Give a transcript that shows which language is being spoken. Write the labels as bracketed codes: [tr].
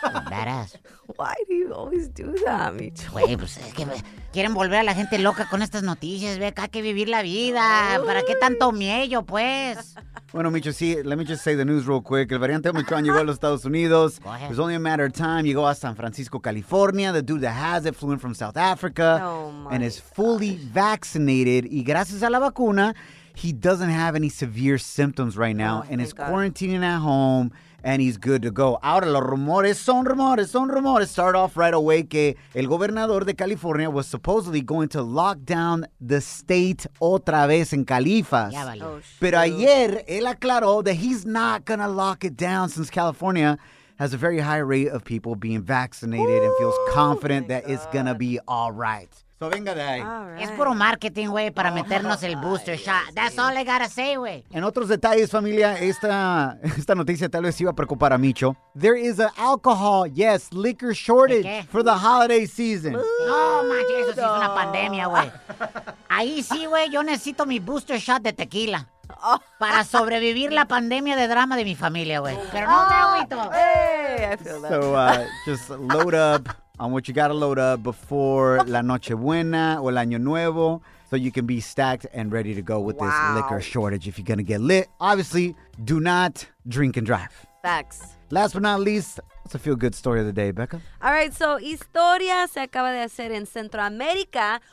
[en] Badass. Why do you always do that, Micho? [es] Güey, pues es que quieren volver a la gente loca con estas noticias. Ve acá, hay que vivir la vida. ¿Para qué tanto miedo, pues? Bueno, Micho, sí, [en] let me just say the news real quick. [es] El variante Omicron llegó a los Estados Unidos. [en] It was only a matter of time. [es] Llegó a San Francisco, California. [en] The dude that has it flew in from South Africa. Oh, my gosh. Is fully vaccinated. [es] Y gracias a la vacuna, [en] he doesn't have any severe symptoms right now. Oh, and is quarantining at home. And he's good to go. [es] Ahora, los rumores son rumores, son rumores. [en] Start off right away [es] que el gobernador de California [en] was supposedly going to lock down the state [es] otra vez en Califas. Ya valió. [en] Oh, [es] pero ayer, él aclaró [en] that he's not going to lock it down since California has a very high rate of people being vaccinated. Ooh, and feels confident that it's going to be all right. So [es] venga de ahí. [en] Right. [es] Es puro marketing, güey, para meternos el booster shot. [en] Yes, that's all I gotta say, güey. [es] En otros detalles, familia, esta noticia tal vez iba a preocupar a Micho. [en] There is an alcohol, yes, liquor shortage for the holiday season. [es] No, manches, eso sí es una pandemia, güey. Ahí sí, güey, yo necesito mi booster shot de tequila. Para sobrevivir la pandemia de drama de mi familia, güey. Pero no me agüito. [en] Hey, I feel that. So, just load up. On what you gotta load up before [es] la Nochebuena o el Año Nuevo, [en] so you can be stacked and ready to go with wow. this liquor shortage if you're gonna get lit. Obviously, do not drink and drive. Facts. Last but not least, it's a feel-good story of the day, Becca. All right, so [es] historia se acaba de hacer en Centroamérica.